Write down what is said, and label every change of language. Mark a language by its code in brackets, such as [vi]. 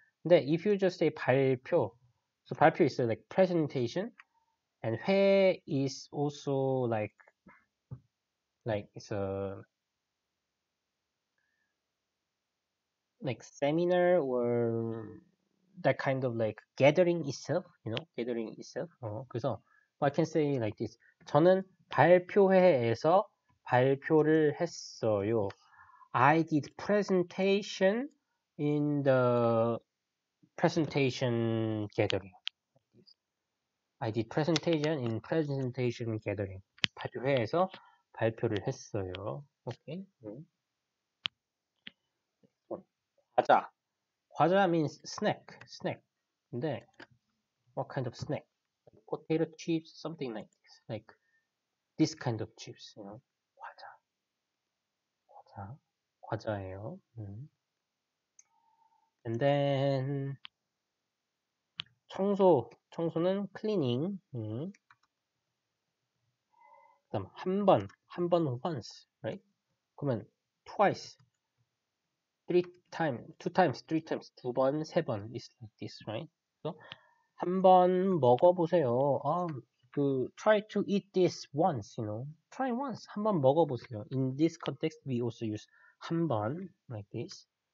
[en] 근데 if you just say 발표, so [ko] 발표 있어요, [en] like presentation, and 회 is also like it's a like seminar or that kind of like gathering itself, you know, gathering itself. 그래서 I can say like this. [ko] 저는 발표회에서 발표를 했어요. [en] I did presentation in the presentation gathering. I did presentation in presentation gathering. [ko] 발표회에서 발표를 했어요. 오케이. [en] 과자. 과자 means snack. 근데 what kind of snack? Potato chips, something like this. Like this kind of chips, you know. [ko] 과자. 과자예요. [en] And then 청소. [ko] 청소는 cleaning. 그다음 한번 [en] once, right? [ko] 그러면 twice. [en] Three times, [ko] 두 번, 세 번, [en] is like this, right? [ko] 그래서 한번 먹어보세요. [en] try to eat this once, you know. Try once, [ko] 한번 먹어보세요. [en] In this context, we also use 한번, like this.